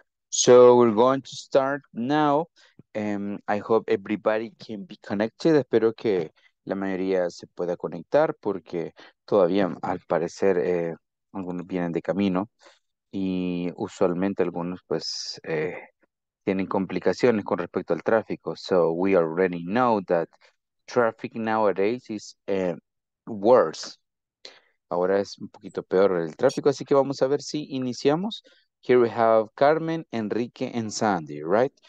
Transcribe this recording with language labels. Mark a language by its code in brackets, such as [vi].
[en] So we're going to start now. I hope everybody can be connected. [es] Espero que la mayoría se pueda conectar porque todavía, al parecer, algunos vienen de camino y usualmente algunos, pues, tienen complicaciones con respecto al tráfico. [en] So we already know that traffic nowadays is worse. [es] Ahora es un poquito peor el tráfico, así que vamos a ver si iniciamos. [en] Here we have Carmen, Enrique and Sandy, right?